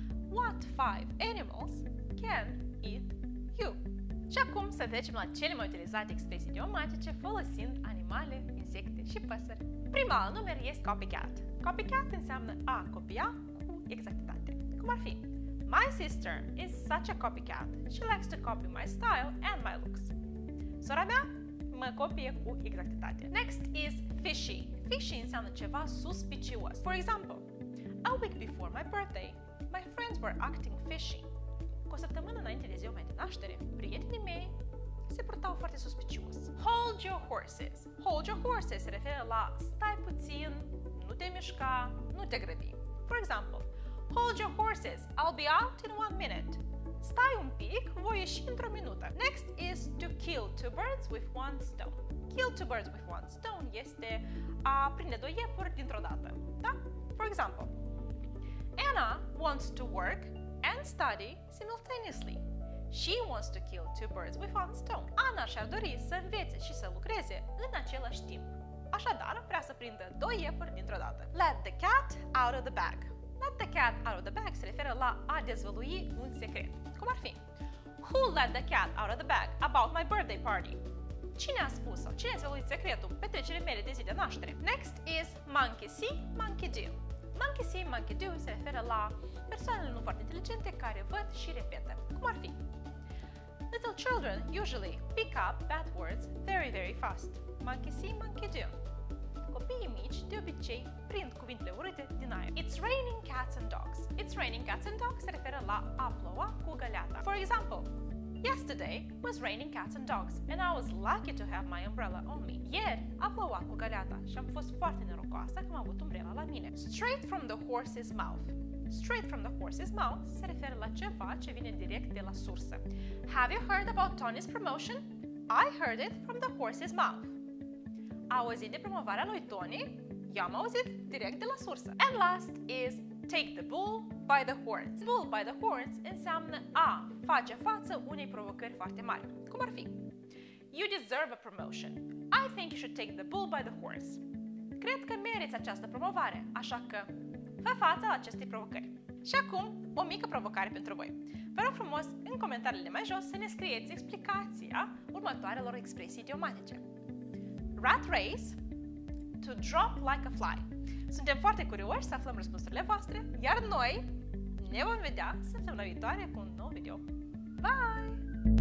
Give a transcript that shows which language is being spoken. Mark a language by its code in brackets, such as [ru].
[en] What five animals can eat you? [ro] Și acum să trecem la cele mai utilizate expresii idiomatice folosind animale, insecte și păsări. Prima la număr este copycat. Copycat înseamnă a copia cu exactitate. Cum ar fi? [en] My sister is such a copycat. She likes to copy my style and my looks. [ro] Sora mea mă copie cu exactitate. [en] Next is fishy. [ro] Fishy înseamnă ceva suspicios. [en] For example, a week before my birthday, my friends were acting fishy. [ro] Cu o săptămână înainte de ziua mea de naștere, prietenii mei se purtau foarte suspicios. [en] Hold your horses. Hold your horses [ro] se referă la stai puțin, nu te mișca, nu te grăbi. [en] For example, hold your horses, I'll be out in 1 minute. [ro] Stai un pic, voi ieși într-o minută. [en] Next is to kill 2 birds with 1 stone. Kill 2 birds with 1 stone [ro] este a prinde 2 iepuri dintr-o dată. Da? [en] For example, Anna wants to work and study simultaneously. She wants to kill 2 birds with 1 stone. [ro] Anna și-ar dori să învețe și să lucreze în același timp. Așadar, vrea să prindă 2 iepuri dintr-o dată. [en] Let the cat out of the bag. Let the cat out of the bag [ro] se referă la a dezvălui un secret. Cum ar fi? [en] Who let the cat out of the bag about my birthday party? [ro] Cine a spus-o? Cine a dezvăluit secretul petrecerii mele de zi de naștere? [en] Next is monkey see, monkey do. Monkey see, monkey do [ro] se referă la persoanele nu foarte inteligente care văd și repetă. Cum ar fi? [en] Little children usually pick up bad words very, very fast. Monkey see, monkey do. [ro] Copiii mici de obicei prind cuvintele urâte din aer. [en] It's raining cats and dogs. It's raining cats and dogs [ro] se referă la a ploua cu găleata. [en] For example, yesterday was raining cats and dogs and I was lucky to have my umbrella on me. [ro] Ieri a plouat cu găleata și am fost foarte norocoasă că am avut umbrela la mine. [en] Straight from the horse's mouth. [ro] Straight from the horse's mouth se referă la ceva ce vine direct de la sursă. [en] Have you heard about Tony's promotion? I heard it from the horse's mouth. [ro] Auzit de promovarea lui Tony? Eu am auzit direct de la sursă. [en] And last is take the bull by the horns. Bull by the horns [ro] înseamnă a face față unei provocări foarte mari. Cum ar fi? [en] You deserve a promotion. I think you should take the bull by the horns. [ro] Cred că meriți această promovare, așa că fă față la acestei provocări. Și acum, o mică provocare pentru voi. Vă rog frumos, în comentariile mai jos, să ne scrieți explicația următoarelor expresii idiomatice. [en] Rat race, to drop like a fly. [ro] Suntem foarte curioși să aflăm răspunsurile voastre, iar noi ne vom vedea săptămâna viitoare cu un nou video. Bye!